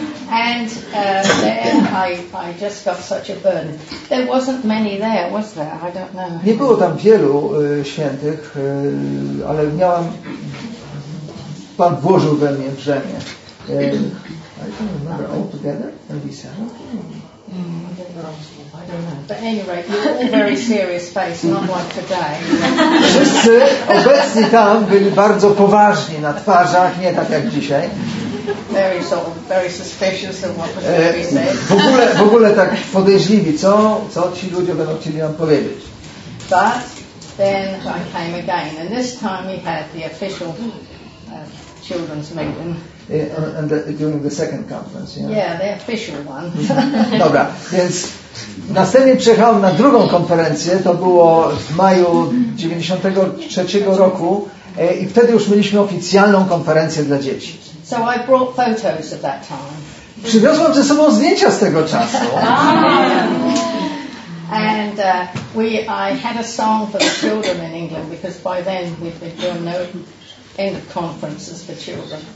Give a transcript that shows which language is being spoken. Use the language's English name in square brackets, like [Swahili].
[English] And there I just got such a burden. There wasn't many there, was there? I don't know. [Polish] Nie było tam wielu świętych, ale miałam. Pan włożył we mnie brzemię. [English] I don't remember all together. Maybe so. I don't know. But anyway, you're all very serious face, not like today. [Polish] Wszyscy obecni tam byli bardzo poważni na twarzach, nie tak jak dzisiaj. [English] Very sort of, very suspicious of what was going to be said. [Polish] W ogóle tak podejrzliwi, co ci ludzie będą chcieli nam powiedzieć. [English] But then I came again, and this time we had the official children's meeting. During the second conference, yeah. Yeah, the official one. [Polish] Dobra, więc następnie przyjechałem na drugą konferencję, to było w maju 93 roku, i wtedy już mieliśmy oficjalną konferencję dla dzieci. [English] So I brought photos of that time. [Polish] Przywiozłam ze sobą zdjęcia z tego czasu. [English] And I had a song for the children in England, because by then we'd been doing no end of conferences for children.